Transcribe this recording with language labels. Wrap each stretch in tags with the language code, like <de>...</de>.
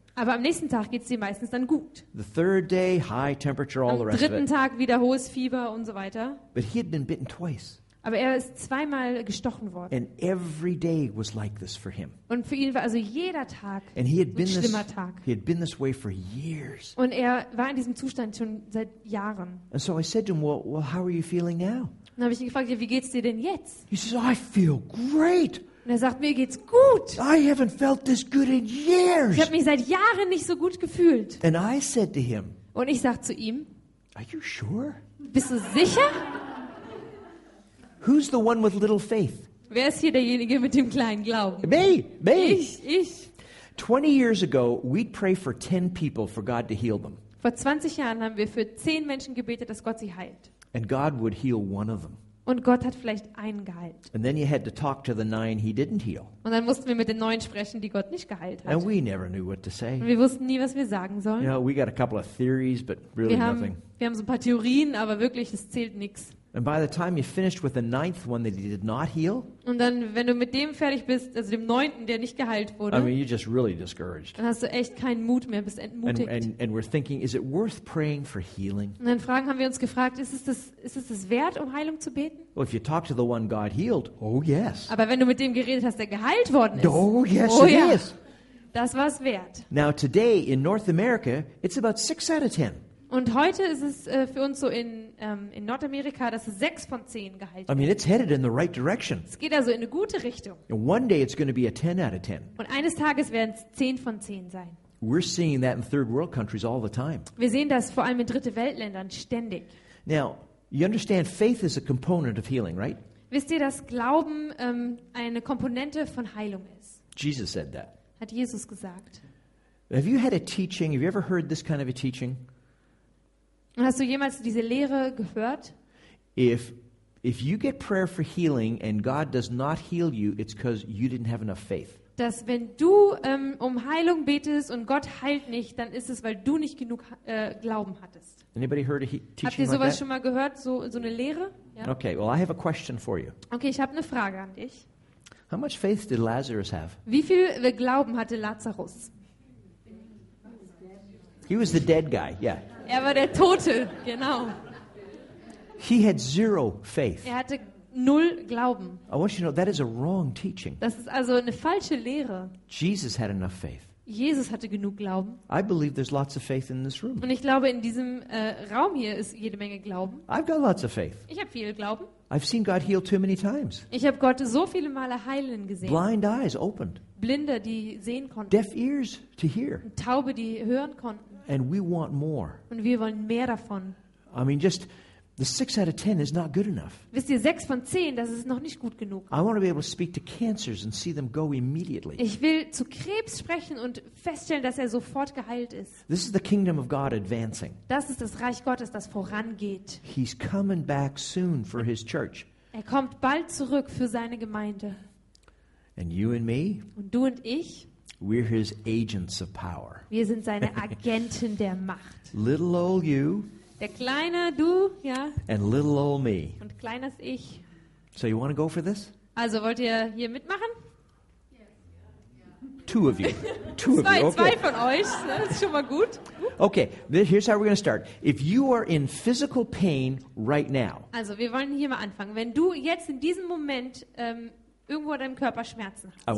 <de>Aber am nächsten Tag geht's ihm meistens dann gut.</de> <en>The third day high temperature, all the rest of it.</en> <de>Am dritten Tag wieder hohes Fieber und so weiter.</de> <en>But he had been bitten twice.</en> <de>Aber er ist zweimal gestochen worden.</de> <en>And every day was like this for him.</en> <de>Und für ihn war also jeder Tag ein schlimmer Tag.</de> <en>He had been this way for years.</en> <de>Und er war in diesem Zustand schon seit Jahren.</de> <en>And so I said to him, well, how are you feeling now?</en> <de>Dann habe ich ihn gefragt, wie geht's dir denn jetzt?</de> <en>He says, I feel great.</en> <de>Und er sagt, mir geht's gut.</de> <en>I haven't felt this good in years.</en> <de>Ich habe mich seit Jahren nicht so gut gefühlt.</de> <en>And I said to him,</en> <de>und ich sagte zu ihm,</de> <en>are you sure?</en> <de>Bist du sicher?</de> <en>Who's the one with little faith?</en> <de>Wer ist hier derjenige mit dem kleinen Glauben?</de> <en>Me.</en> <de>Ich.</de> <en>20 years ago, we'd pray for 10 people for God to heal them.</en> <de>Vor 20 Jahren haben wir für 10 Menschen gebetet, dass Gott sie heilt.</de> <en>And God would heal one of them.</en> <de>Und Gott hat vielleicht einen geheilt.</de> <en>And then you had to talk to the 9 he didn't heal.</en> <de>Und dann mussten wir mit den 9 sprechen, die Gott nicht geheilt hat.</de> <en>And we never knew what to say.</en> <de>Und wir wussten nie, was wir sagen sollen.</de> <en>You know, we got a couple of theories, but really nothing.</en> <de>Wir haben so ein paar Theorien, aber wirklich, es zählt nichts.</de> <en>And by the time you finished with the 9th one that he did not heal?</en> <de>Und dann wenn du mit dem fertig bist, also dem 9., der nicht geheilt wurde.</de> <en>I mean, you're just really discouraged.</en> <de>Dann hast du echt keinen Mut mehr, bist entmutigt.</de> <en>And we're thinking, is it worth praying for healing?</en> <de>Und dann fragen haben wir uns gefragt, ist es wert, um Heilung zu beten?</de> <en>Well, if you talk to the one God healed, oh yes.</en> <de>Aber wenn du mit dem geredet hast, der geheilt worden ist.</de> <en>Oh yes, oh, yeah. It is.</en> <de>Das war's wert.</de> <en>Now today in North America, it's about 6 out of 10.</en> <de>Und heute ist es für uns so in Nordamerika, dass es 6 von 10 geheilt wird.</de> <en>I mean, it's headed in the right direction.</en> <de>Es geht also in eine gute Richtung.</de> <en>And one day it's going to be a 10 out of 10.</en> <de>Und eines Tages werden es 10 von 10 sein.</de> <en>We're seeing that in third world countries all the time.</en> <de>Wir sehen das vor allem in dritte Weltländern ständig.</de> <en>Now, you understand, faith is a component of healing, right?</en> <de>Wisst ihr, dass Glauben eine Komponente von Heilung ist?</de> <en>Jesus said that.</en> <de>Hat Jesus gesagt.</de> <en>Have you had a teaching? Have you ever heard this kind of a teaching?</en> <de>Hast du jemals diese Lehre gehört?</de> <en>if you get prayer for healing and God does not heal you, it's because you didn't have enough faith.</en> <de>Dass wenn du um Heilung betest und Gott heilt nicht, dann ist es, weil du nicht genug Glauben hattest.</de> <en>Anybody heard a teaching?</en> <de>Habt ihr sowas</de> <en>like that?</en> <de>Schon mal gehört, so eine Lehre? Ja?</de> <en>Okay, well, I have a question for you.</en> <de>Okay, ich habe eine Frage an dich.</de> <en>How much faith did Lazarus have?</en> <de>Wie viel Glauben hatte Lazarus?</de> <en>He was the dead guy, yeah.</en> <de>Er war der Tote, genau.</de> <en>He had zero faith.</en> <de>Er hatte null Glauben.</de> <en>I want you to know that is a wrong teaching.</en> <de>Das ist also eine falsche Lehre.</de> <en>Jesus had enough faith.</en> <de>Jesus hatte genug Glauben.</de> <en>I believe there's lots of faith in this room.</en> <de>Und ich glaube, in diesem Raum hier ist jede Menge Glauben.</de> <en>I've got lots of faith.</en> <de>Ich habe viel Glauben.</de> <en>I've seen God heal too many times.</en> <de>Ich habe Gott so viele Male heilen gesehen.</de> <en>Blind eyes opened.</en> <de>Blinde, die sehen konnten.</de> <en>Deaf ears to hear.</en> <de>Taube, die hören konnten.</de> <en>And we want more.</en> <de>Und wir wollen mehr davon.</de> <en>I mean, just the 6 out of 10 is not good enough.</en> <de>Wisst ihr, 6 von 10, das ist noch nicht gut genug.</de> <en>I want to be able to speak to cancers and see them go immediately.</en> <de>Ich will zu Krebs sprechen und feststellen, dass sofort geheilt ist.</de> <en>This is the kingdom of God advancing.</en> <de>Das ist das Reich Gottes, das vorangeht.</de> <en>He's coming back soon for his church.</en> <de>Er kommt bald zurück für seine Gemeinde.</de> <en>And you and me?</en> <de>Und du und ich?</de> <en>We're his agents of power.</en> <de>Wir sind seine Agenten der Macht.</de> <en>Little old you.</en> <de>Der kleine du, ja.</de> <en>And little old me.</en> <de>Und kleines ich.</de> <en>So you want to go for this?</en> <de>Also wollt ihr hier mitmachen?</de> <en>Two of you. Two</en> <de>zwei,</de> <en>of you. Okay.</en> <de>Zwei von euch. Das ist schon mal gut.</de> <en>Okay, here's how we're going to start. If you are in physical pain right now.</en> <de>Also wir wollen hier mal anfangen. Wenn du jetzt in diesem Moment irgendwo in deinem Körper Schmerzen hast.</de>